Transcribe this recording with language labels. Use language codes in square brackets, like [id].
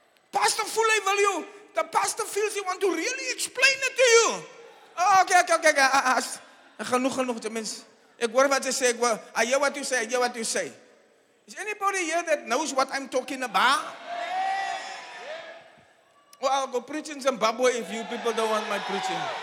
[en] Pastor Fule, will you? The pastor feels he want to really explain it to you. Okay. [nl] Genoeg, tenminste. Ik hoor wat je zegt. [en] I hear what you say. Is anybody here that knows what I'm talking about? Well, I'll go preach in Zimbabwe if you people don't want my preaching.